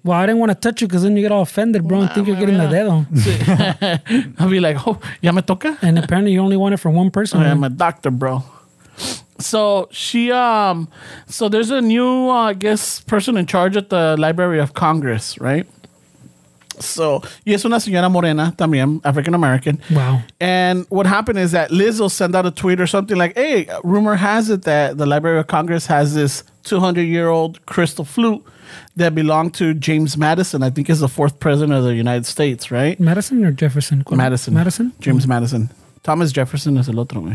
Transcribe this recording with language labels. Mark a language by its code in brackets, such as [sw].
[en] Well, I didn't want to touch you because then you get all offended, bro. I think you're getting the dedo. I'll be like, oh, [es] ya me toca? [en] And apparently you only want it from one person. I am a doctor, bro. So there's a new, person in charge at the Library of Congress, right? [es] So, y es una señora morena también, African-American. [en] Wow. And what happened is that Lizzo sent out a tweet or something like, hey, rumor has it that the Library of Congress has this 200-year-old crystal flute that belonged to James Madison. I think he's the fourth president of the United States, right? Madison or Jefferson? Madison. Madison? James Madison. Thomas Jefferson is [es] el otro.